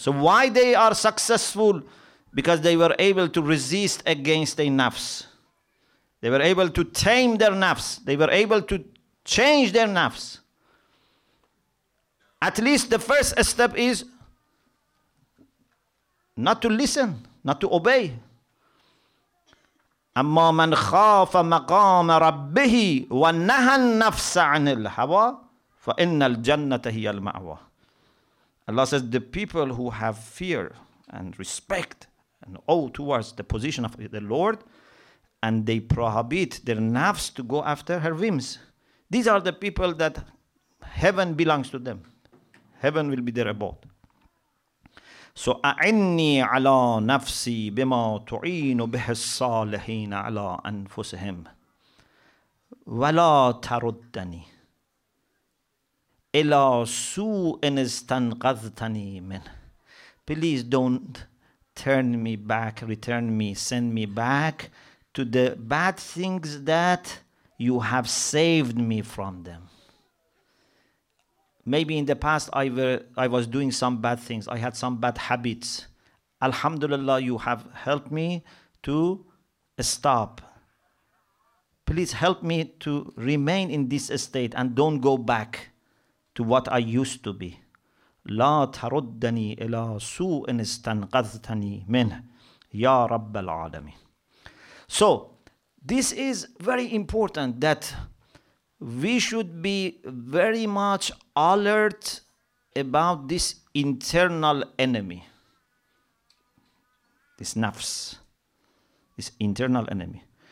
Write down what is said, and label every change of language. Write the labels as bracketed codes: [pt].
[en] So why they are successful? Because they were able to resist against their nafs. They were able to tame their nafs. They were able to change their nafs. At least the first step is not to listen, not to obey. [ar] أما من خاف مقام ربه ونهى النفس عن الهوى فإن الجنة هي المأوى. [en] Allah says the people who have fear and respect and awe towards the position of the Lord, and they prohibit their nafs to go after her whims, these are the people that heaven belongs to them. Heaven will be their abode. [ar] So, أعني على نفسي بما تعين به الصالحين على أنفسهم ولا تردني إلى سوء استنقذتني من. [en] Please don't turn me back, return me, send me back to the bad things that you have saved me from them. Maybe in the past I was doing some bad things. I had some bad habits. Alhamdulillah, you have helped me to stop. Please help me to remain in this state and don't go back to what I used to be. [ar] لا تردني إلى سوء استنقذتني منه يا رب العالمين. [en] So this is very important that we should be very much alert about this internal enemy, this nafs, this internal enemy.